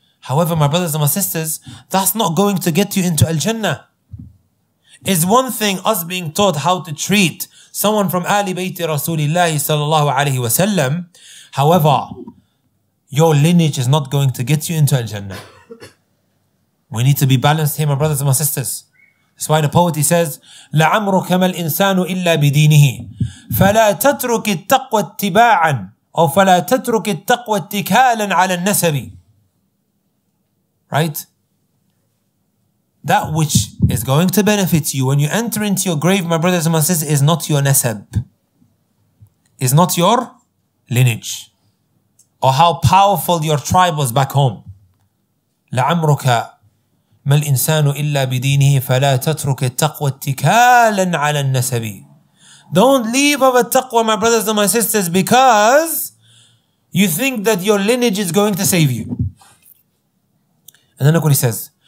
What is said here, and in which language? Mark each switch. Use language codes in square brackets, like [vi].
[en] However, my brothers and my sisters, that's not going to get you into Al-Jannah. It's one thing us being taught how to treat someone from Ali Bayti Rasulillah sallallahu alaihi wasallam. However, your lineage is not going to get you into Al-Jannah. We need to be balanced here, my brothers and my sisters. That's why the poet, he says, [ar] لَعَمْرُكَ مَا الْإِنسَانُ إِلَّا بِدِينِهِ فَلَا تَتْرُكِ التَّقْوَى اتِّبَاعًا أو فَلَا تَتْرُكِ التَّقْوَى اتِّكَالًا عَلَى النَّسَبِ. [en] Right? That which is going to benefit you when you enter into your grave, my brothers and my sisters, is not your nasab. Is not your lineage. Or how powerful your tribe was back home. [ar] لَعَمْرُكَ ما الإنسان إلا بدينه فلا تترك التقوى اتكالا على النسب. [en] Don't leave of a taqwa, my brothers and my sisters, because you think that your lineage is going to save you. And then look what he says.